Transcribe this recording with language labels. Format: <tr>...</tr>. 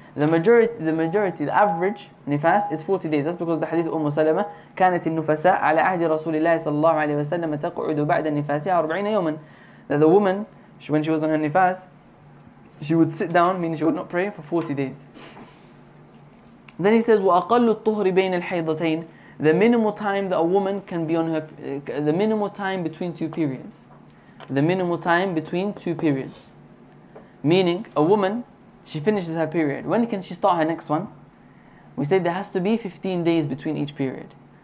<en>The majority, the average nifas is 40 days. That's because the hadith of Umm Salama</en> <ar>كانت النفساء على عهد رسول الله صلى الله عليه وسلم تقعد بعد نفاسها 40 يوما.</ar> <en>That the woman, when she was on her nifas, she would sit down, meaning she would not pray for 40 days. Then he says,</en> <ar>وأقل الطهر بين الحيضتين.</ar> <en>The minimal time that a woman can be on her, the minimal time between two periods. The minimal time between two periods. Meaning, a woman, she finishes her period. When can she start her next one? We say there has to be 15 days between each period.</en>